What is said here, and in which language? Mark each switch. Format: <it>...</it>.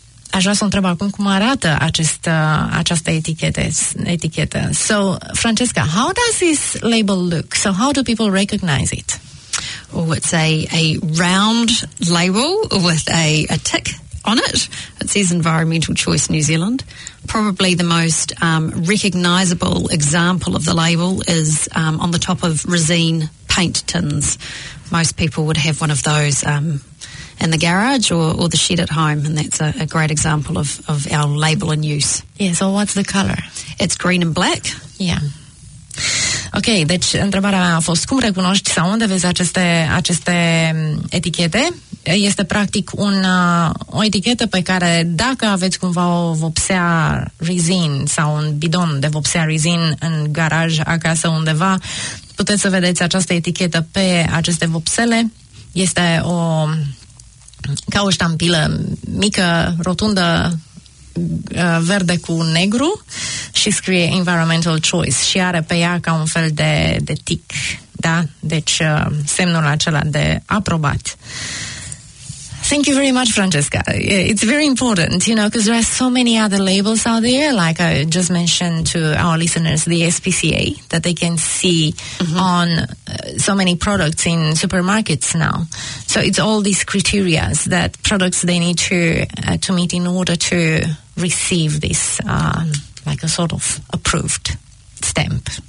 <ro>Aș vrea să întreb acum cum arată această etichetă.</ro> <en>So, Francesca, how does this label look? So, how do people recognize it? Oh, it's a round label with a tick on it. It says Environmental Choice New Zealand. Probably the most recognisable example of the label is on the top of Resene paint tins. Most people would have one of those in the garage or the shed at home, and that's a great example of our label in use. Yeah, so what's the colour? It's green and black. Yeah.</en> <ro>Ok, deci întrebarea mea a fost cum recunoști sau unde vezi aceste etichete? Este practic o etichetă pe care dacă aveți cumva o vopsea Resene sau un bidon de vopsea Resene în garaj acasă undeva, puteți să vedeți această etichetă pe aceste vopsele. Este o ca o ștampilă mică, rotundă, verde cu negru și scrie Environmental Choice și are pe ea ca un fel de, de tic, da? Deci semnul acela de aprobat.</ro> <en>Thank you very much, Francesca. It's very important, you know, because there are so many other labels out there, like I just mentioned to our listeners, the SPCA, that they can see mm-hmm. on so many products in supermarkets now. So it's all these criteria that products they need to meet in order to receive this, like a sort of approved stamp.</en>